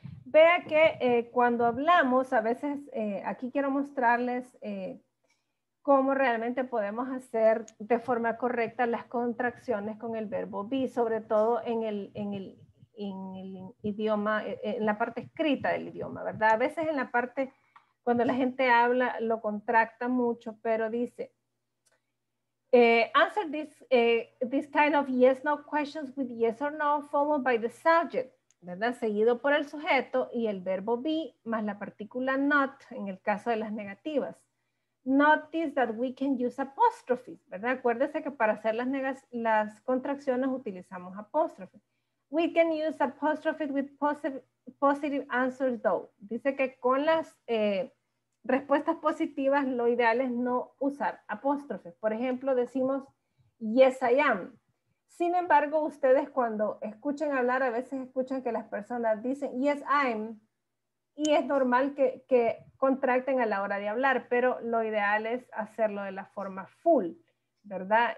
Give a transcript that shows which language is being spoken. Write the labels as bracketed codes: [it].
[es] Vea que cuando hablamos, a veces aquí quiero mostrarles cómo realmente podemos hacer de forma correcta las contracciones con el verbo be, sobre todo en el idioma, en la parte escrita del idioma, ¿verdad? A veces en la parte, cuando la gente habla, lo contracta mucho, pero dice, [en] answer this kind of yes, no questions with yes or no, followed by the subject, [es] ¿verdad? Seguido por el sujeto y el verbo be, más la partícula not, en el caso de las negativas. [en] Notice that we can use apostrophes, [es] ¿verdad? Acuérdese que para hacer las contracciones utilizamos apóstrofes. [en] We can use apostrophes with positive answers though. [es] Dice que con las respuestas positivas lo ideal es no usar apóstrofes. Por ejemplo, decimos, [en] yes, I am. [es] Sin embargo, ustedes cuando escuchan hablar, a veces escuchan que las personas dicen, [en] yes, I'm. [es] Y es normal que contracten a la hora de hablar, pero lo ideal es hacerlo de la forma full, ¿verdad?